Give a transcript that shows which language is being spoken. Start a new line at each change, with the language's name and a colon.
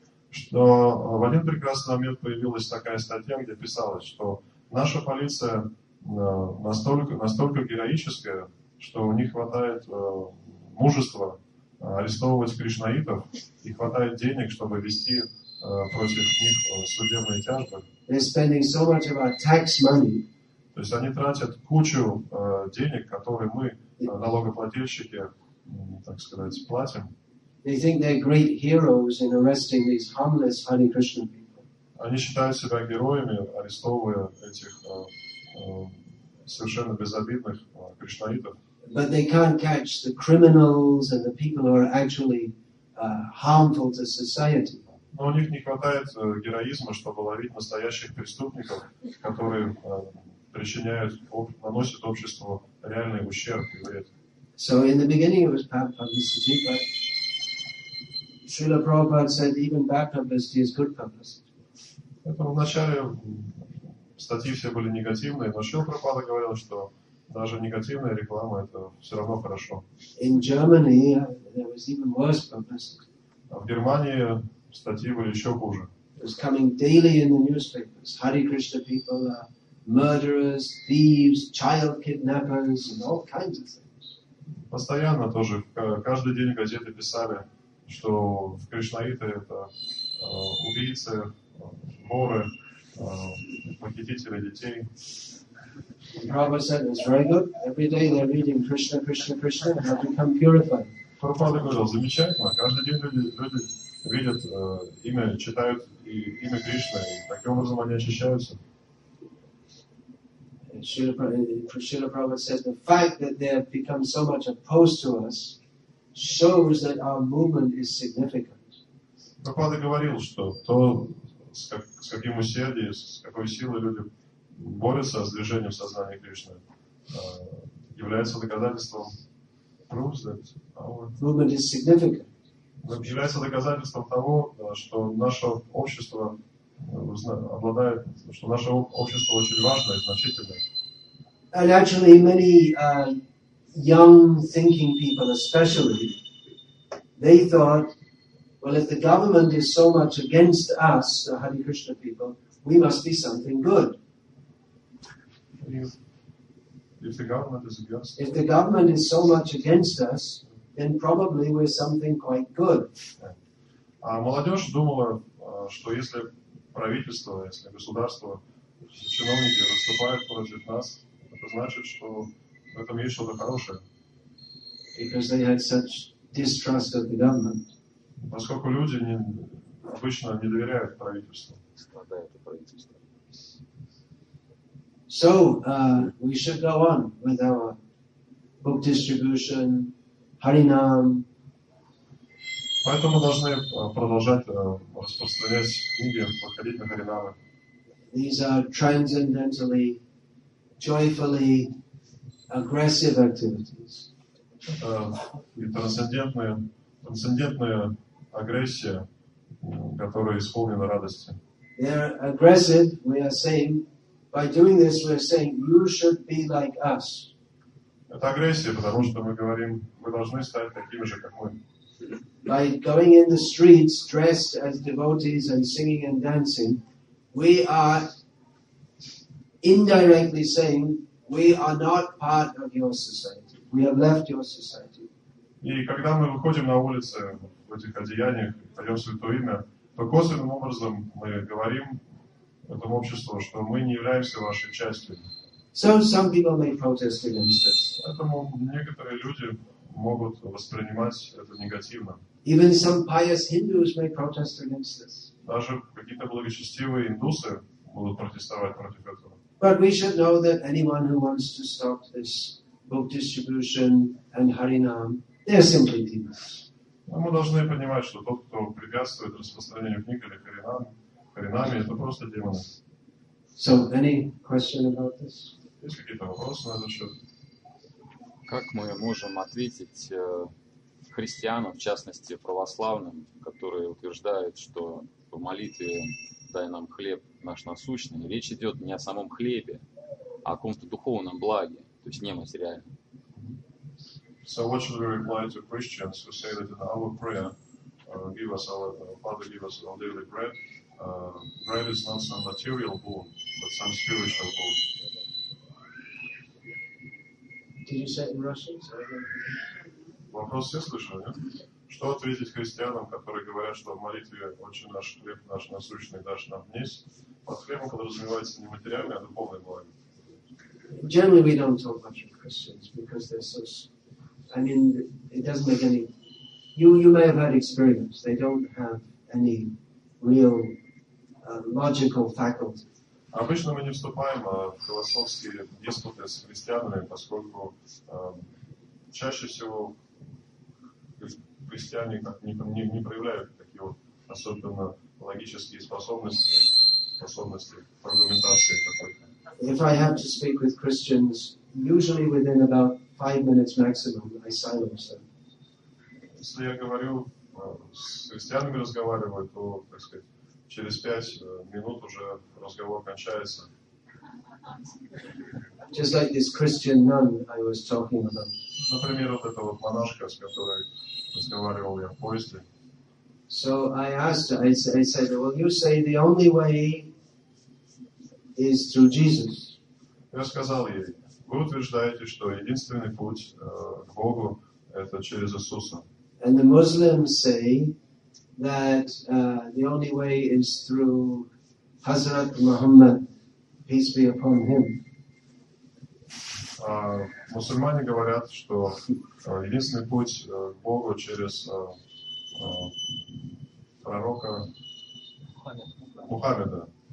Russian: Что в один прекрасный момент появилась такая статья, где писалось, что наша полиция настолько героическая, что у них хватает мужества арестовывать кришнаитов и хватает денег, чтобы вести против них судебные тяжбы.
English: They're spending so much of our tax money.
Russian: То есть они тратят кучу денег, которые мы, налогоплательщики, так сказать, платим.
English: They think they're great heroes in arresting these harmless Hare Krishna people.
Russian: Они считают себя героями, арестовывая этих совершенно безобидных кришнаитов.
English: But they can't catch the criminals and the people who are actually harmful to society.
Russian: Но у них не хватает героизма, чтобы ловить настоящих преступников, которые причиняют, наносят обществу реальный ущерб и вред.
English: So in the beginning it was bad publicity, but Śrīla Prabhupāda said even bad publicity is good publicity.
Russian: Это вначале статьи все были негативные, но Śrīla Prabhupāda говорил, что даже негативная реклама это все равно хорошо.
English: In Germany there was even worse publicity.
Russian: А в Германии статьи были еще хуже.
English: It was coming daily in the newspapers. Hare Krishna people are murderers, thieves, child kidnappers and all kinds of things.
Russian: Постоянно тоже каждый день газеты писали, что в кришнаиты это убийцы, воры, похитители детей.
English: Prabhupada said it's very good. Every day they're reading Krishna, Krishna, Krishna, and have become purified.
Russian: Prabhupada говорил, замечательно. Каждый день люди видят имя, читают и имя Кришны, и таким образом они очищаются.
English: Śrīla Prabhupada said the fact that they have become so much opposed to us shows that our movement is significant.
Russian: Прабхупада говорил, что то, с каким усердием, с какой силой люди борются с движением сознания Кришны, является доказательством
English: proves that our movement is significant.
Russian: Является доказательством того, что наше общество обладает, что наше общество очень важное и значительное.
English: And actually many young thinking people especially, they thought, well, if the government is so much against us, the Hare Krishna people, we must be something good. If the government is so much against us, then probably we're something quite good.
Russian: А молодежь думала, что если правительство, если государство, чиновники выступают против нас, это значит, что в этом есть что-то хорошее.
English: Because they had such distrust of the government.
Russian: Поскольку люди обычно не доверяют правительству.
English: So, we should go on with our book distribution, Harinam.
Russian: Поэтому должны продолжать распространять книги, проходить на Харинамы.
English: These are transcendentally, joyfully aggressive activities.
Russian: Трансцендентная агрессия, которая исполнена радости.
English: They are aggressive, we are saying, By doing this, we're saying you should be like us.
Russian: Это агрессия, потому что мы говорим, вы должны стать такими же, как мы.
English: By going in the streets dressed as devotees and singing and dancing, we are indirectly saying we are not part of your society. We have left your society.
Russian: И когда мы выходим на улицы в этих одеяниях, поем святое имя, то косвенным образом мы говорим этому обществу, что мы не являемся вашей частью.
English: So some people may protest against this.
Russian: Поэтому некоторые люди могут воспринимать это негативно.
English: Even some pious Hindus may protest against this.
Russian: Даже какие-то благочестивые индусы будут протестовать против этого.
English: But we should know that anyone who wants to stop this book distribution and Harinam, they're simply demons.
Russian: Но мы должны понимать, что тот, кто препятствует распространению книг или Харинами, это просто демоны.
English: So, any question about this?
Russian: Есть какие-то вопросы на этот счет? Как мы можем ответить христианам, в частности православным, которые утверждают, что в молитве «Дай нам хлеб наш насущный» речь идет не о самом хлебе, а о каком-то духовном благе, то есть нематериальном?
English: So what should we reply to Christians who say that in our prayer, give us our Father, give us our daily bread, bread is not some material boon, but some spiritual boon? Did you say it in Russian?
Russian: Вопрос все слышали, нет? Что ответить христианам, которые говорят, что в молитве очень наш хлеб, наш насущный, дашь нам вниз? Под хлебом подразумевается не материальное, а духовное благо.
English: Generally we don't talk much of Christians because they're so... I mean, it doesn't make any... You may have had experience. They don't have any real logical faculty.
Russian: Обычно мы не вступаем в философские диспуты с христианами, поскольку чаще всего христиане не проявляют такие вот особенно логические способности аргументации какой-то.
English: If I have to speak with Christians, usually within about 5 minutes maximum, I silence them.
Russian: Если я говорю с христианами разговариваю, то, так сказать, через 5 минут уже разговор кончается.
English: Just like this Christian nun I was talking about.
Russian: Например, вот эта вот монашка, с которой разговаривал я в поезде.
English: So I asked her, I said, well, you say the only way is through Jesus.
Russian: Я сказал ей, вы утверждаете, что единственный путь к Богу это через Иисуса.
English: And the Muslims say that the only way is through Hazrat Muhammad, peace be upon him.
Russian: Мусульмане говорят, что единственный путь к Богу через пророка Мухаммеда.